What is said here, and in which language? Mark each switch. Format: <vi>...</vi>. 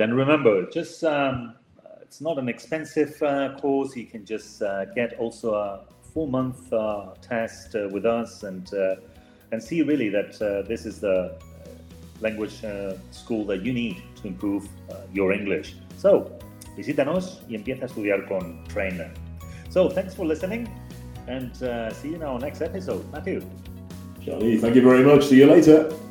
<en>And remember, just it's not an expensive course. You can just get also a four-month test with us and see really that this is the language school that you need to improve your English.</en> <es>So, visítanos y empieza a estudiar con Trainer.</es> <en>So, thanks for listening and see you in our next episode. Matthew. Johnny, thank you very much. See you later.</en>